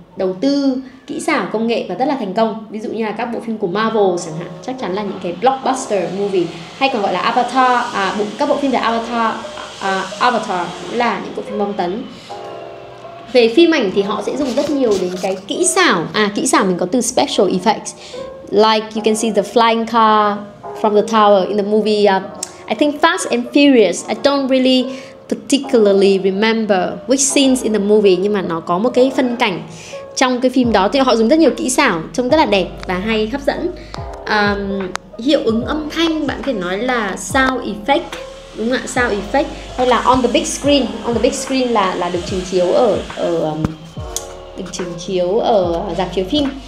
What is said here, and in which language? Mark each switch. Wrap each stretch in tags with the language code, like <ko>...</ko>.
<vi>đầu tư kỹ xảo công nghệ và rất là thành công. Ví dụ như là các bộ phim của Marvel chẳng hạn, chắc chắn là những cái blockbuster movie, hay còn gọi là Avatar, các bộ phim về Avatar, Avatar là những bộ phim bom tấn. Về phim ảnh thì họ sẽ dùng rất nhiều đến cái kỹ xảo. Kỹ xảo mình có từ special effects.</vi> <en>Like you can see the flying car from the tower in the movie I think Fast and Furious. I don't really particularly remember which scenes in the movie,</en> <vi>nhưng mà nó có một cái phân cảnh trong cái phim đó thì họ dùng rất nhiều kỹ xảo, trông rất là đẹp và hay, hấp dẫn. Hiệu ứng âm thanh bạn có thể nói là sound effect, đúng không ạ? Sound effect hay là</vi> <en>on the big screen. On the big screen</en> <vi>là được trình chiếu ở ở rạp chiếu phim.</vi>